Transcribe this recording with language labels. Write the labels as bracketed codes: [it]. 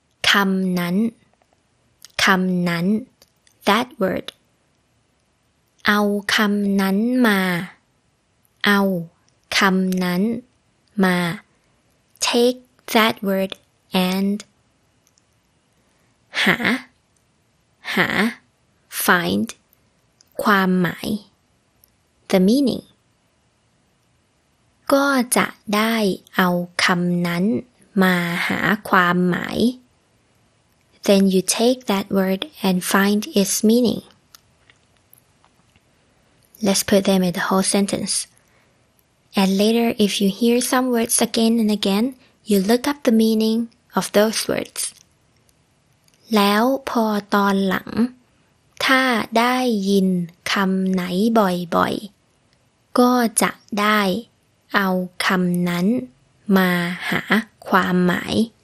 [th] คำนั้น [en] that word [th] เอาคำนั้นมา [en] take that word and [th] หา [en] find [th] ความหมาย [en] the meaning [th] ก็จะได้เอาคำนั้นมาหาความหมาย [en] then you take that word and find its meaning. Let's put them in the whole sentence. And later, if you hear some words again and again, you look up the meaning of those words. [th] แล้วพอตอนหลังถ้าได้ยินคำไหนบ่อยบ่อยก็จะได้เอาคำนั้นมาหาความหมาย